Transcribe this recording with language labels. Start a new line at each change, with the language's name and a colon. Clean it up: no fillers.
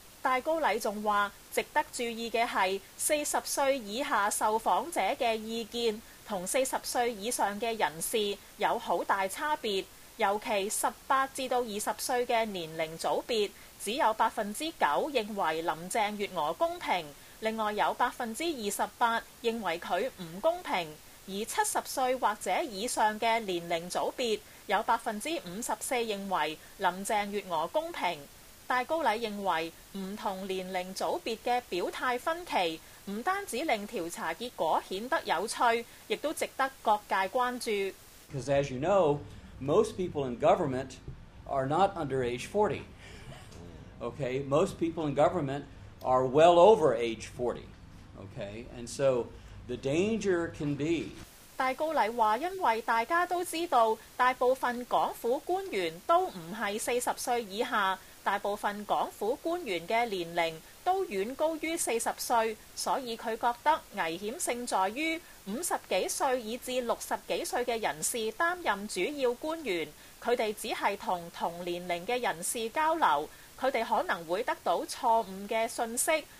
Chinese: 戴高禮仲說，值得注意的是40歲以下受訪者的意見和40歲以上的人士有很大差別，尤其18至20歲的年齡組別只有 9% 認為林鄭月娥公平，另外有 28% 認為她不公平，而70歲或者以上的年齡組別有 54% 認為林鄭月娥公平。戴高禮認為，不同年齡組別的表態分歧不單止令調查結果顯得有趣，亦都值得各界關注。
English: Because as you know, most people in government are not under age 40. Okay, most people in government are well over age 40. Okay, and so the danger can be...
Chinese: 戴高禮說，因為大家都知道大部分港府官員都不是40歲以下，大部分港府官員的年齡都遠高於40歲，所以他覺得危險性在於50幾歲以至60幾歲的人士擔任主要官員，他們只是跟同年齡的人士交流，他們可能會得到錯誤的訊息。